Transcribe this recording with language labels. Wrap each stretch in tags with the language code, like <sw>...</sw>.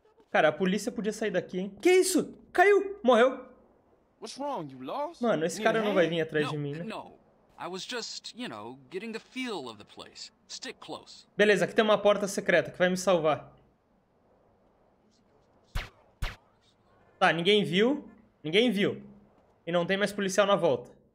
<pt>Cara, a polícia podia sair daqui, hein? Que isso? Caiu. Morreu.</pt> <en>What's wrong? You lost?</en> <pt>Mano, esse cara não vai vir atrás de mim, né?</pt> <en>No. I was just, you know, getting the feel of the place. Stick close.</en> <pt>Beleza, aqui tem uma porta secreta que vai me salvar. Tá, ninguém viu. Ninguém viu. E não tem mais policial na volta.</pt>